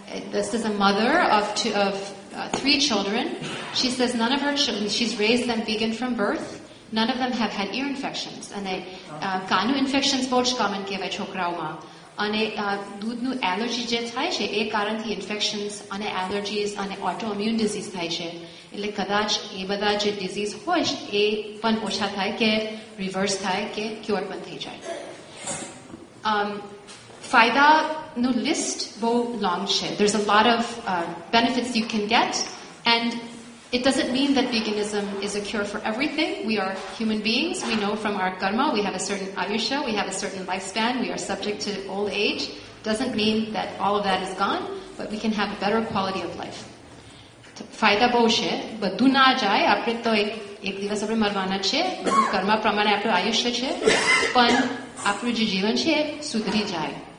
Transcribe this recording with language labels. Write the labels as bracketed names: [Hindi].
[English] This is a mother of three children. She says none of her children, she's raised them vegan from birth. None of them have had ear infections. [Gujarati] And Kanu infections બહુ જ common કહેવાય છોકરાઓમાં. અને દૂધનું allergy જે થાય છે એ કારણથી infections અને એલર્જીસ અને ઓટો ઇમ્યુન ડિઝીઝ થાય છે. એટલે કદાચ એ બધા જે ડિઝીઝ હોય છે એ પણ ઓછા થાય કે રિવર્સ થાય કે ક્યોર પણ થઈ જાય. ફાયદાનો લિસ્ટ બહુ લોંગ છે. [English] There is a lot of benefits you can get and it doesn't mean that veganism is a cure for everything. We are human beings. We know from our karma we have a certain ayusha, we have a certain lifespan, we are subject to old age. Doesn't mean that all of that is gone, but we can have a better quality of life. [Gujarati] ફાયદા બહુ છે, બધું ના જાય, આપણે તો એક દિવસ આપણે મરવાના છે, બધું કર્મ પ્રમાણે આપણું આયુષ્ય છે, પણ આપણું જે જીવન છે એ સુધરી જાય.